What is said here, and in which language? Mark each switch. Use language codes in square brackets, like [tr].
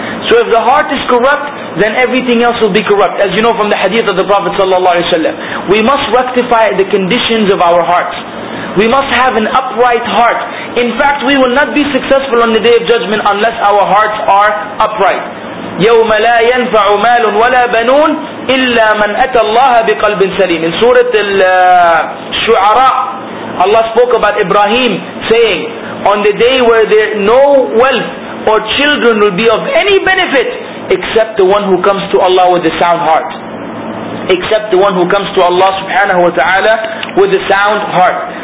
[en] So if the heart is corrupt, then everything else will be corrupt. As you know from the hadith of the Prophet ﷺ, we must rectify the conditions of our hearts. We must have an upright heart. In fact, we will not be successful on the Day of Judgment unless our hearts are upright. [ar] يَوْمَ لَا يَنْفَعُ مَالٌ وَلَا بَنُونَ إلا من أتى الله بقلب سليم. [en] In Surah Al-Shu'ara, Allah spoke about Ibrahim saying, on the day where there no wealth or children will be of any benefit except the one who comes to Allah with a sound heart. Except the one who comes to Allah subhanahu wa ta'ala with a sound heart.